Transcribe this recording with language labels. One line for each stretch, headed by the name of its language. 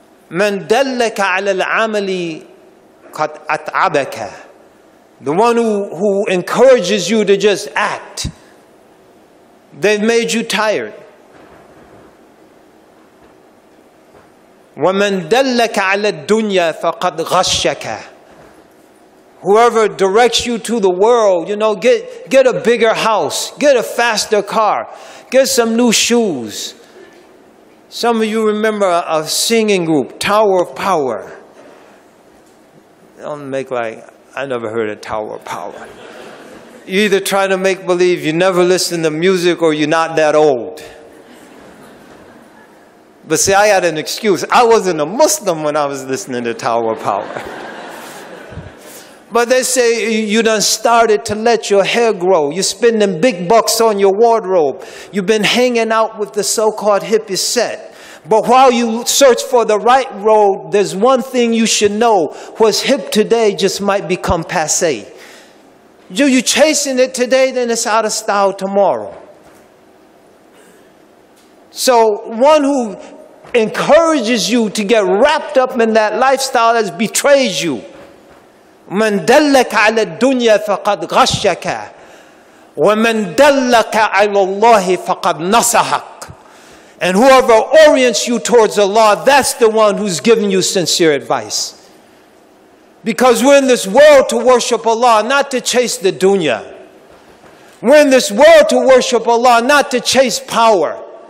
Arabic: من دلك على العمل قد أتعبك.
English: The one who encourages you to just act, they've made you tired.
Arabic: ومن دلك على الدنيا فقد غشك.
English: Whoever directs you to the world, you know, get a bigger house, get a faster car, get some new shoes. Some of you remember a singing group, Tower of Power. Don't make like, I never heard of Tower of Power. You either try to make believe you never listen to music or you're not that old. But see, I had an excuse. I wasn't a Muslim when I was listening to Tower of Power. But they say you done started to let your hair grow. You're spending big bucks on your wardrobe. You've been hanging out with the so-called hippie set. But while you search for the right road, there's one thing you should know. What's hip today just might become passé. You chasing it today, then it's out of style tomorrow. So one who encourages you to get wrapped up in that lifestyle has betrayed you.
Arabic: من دلك على الدنيا فقد غشك ومن دلك على الله فقد نصحك.
English: And whoever orients you towards Allah, that's the one who's giving you sincere advice. Because we're in this world to worship Allah, not to chase the dunya. We're in this world to worship Allah, not to chase power.